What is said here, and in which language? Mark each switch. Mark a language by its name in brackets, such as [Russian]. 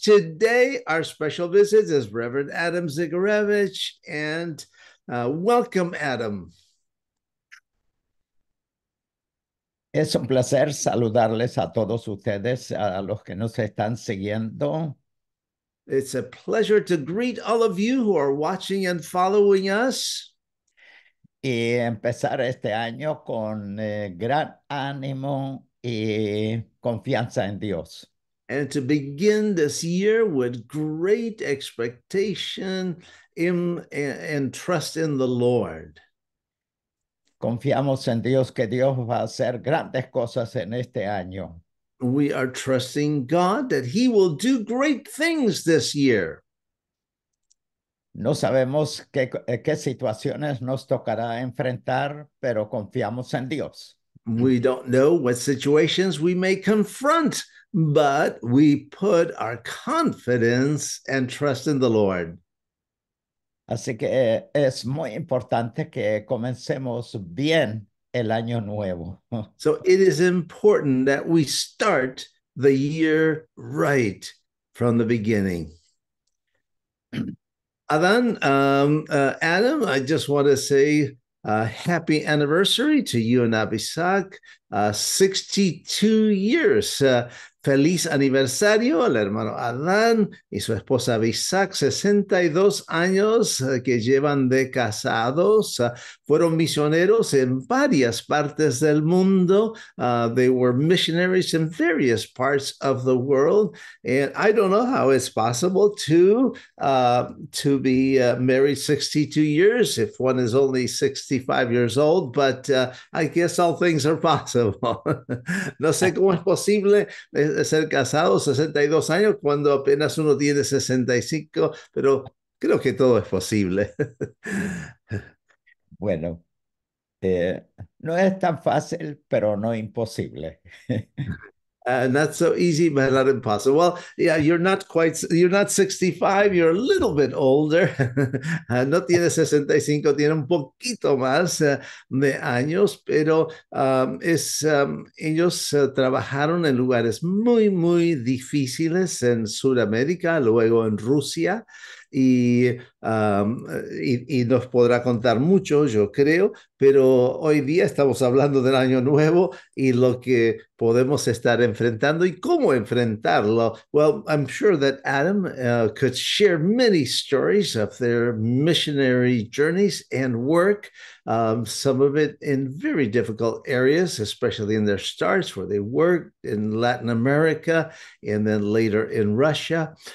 [English] Today, our special visit is Reverend Adam Zygarewicz, and welcome, Adam. [Spanish] Es un placer saludarles a todos ustedes, a los que nos están siguiendo. [English] It's a pleasure to greet all of you who are watching and following us. [Spanish] Y empezar este año con gran ánimo y confianza en Dios. [English] And to begin this year with great expectation and trust in the Lord. [Spanish] Confiamos en Dios que Dios va a hacer grandes cosas en este año. [English] We are trusting God that He will do great things this year. [Spanish] No sabemos qué situaciones nos tocará enfrentar, pero confiamos en Dios. [English] We don't know what situations we may confront, but we put our confidence and trust in the Lord. [Spanish] Así que es muy importante que comencemos bien el año nuevo. [English] So it is important that we start the year right from the beginning. Adam, I just want to say a happy anniversary to you and Abisak, 62 years. [Spanish] Feliz aniversario al hermano Adán y su esposa Abisak, 62 años que llevan de casados. Fueron misioneros en varias partes del mundo. [English] They were missionaries in various parts of the world. And I don't know how it's possible to be married 62 years if one is only 65 years old, but I guess all things are possible. [Spanish] No sé cómo es posible ser casado 62 años cuando apenas uno tiene 65, pero creo que todo es posible. Bueno, no es tan fácil, pero no imposible. [English] Not so easy, but not impossible. Well, yeah, you're not 65, you're a little bit older. [Spanish] No tiene 65, tiene un poquito más de años, pero ellos trabajaron en lugares muy, muy difíciles en Sudamérica, luego en Rusia. Y nos podrá contar mucho, yo creo, pero hoy día estamos hablando del año nuevo y lo que podemos estar enfrentando y cómo enfrentarlo. [English] Well, I'm sure that Adam could share many stories of their missionary journeys and work, some of it in very difficult areas, especially in their starts where they worked in Latin America and then later in Russia.